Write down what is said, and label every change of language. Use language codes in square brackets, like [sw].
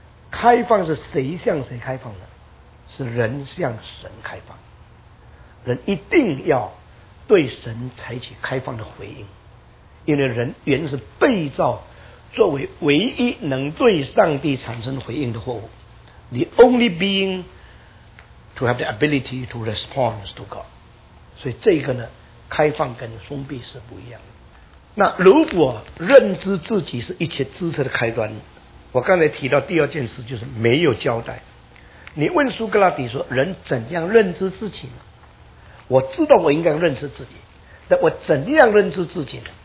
[zh] 开放是谁向谁开放呢？是人向神开放。人一定要对神采取开放的回应，因为人原是被造作为唯一能对上帝产生回应的货物。 [en] The only being to have the ability to respond to God。 [zh] 所以这个呢，开放跟封闭是不一样的。那如果认知自己是一切知识的开端，我刚才提到第二件事就是没有交代。你问苏格拉底说，人怎样认知自己呢？我知道我应该认识自己，但我怎样认知自己呢？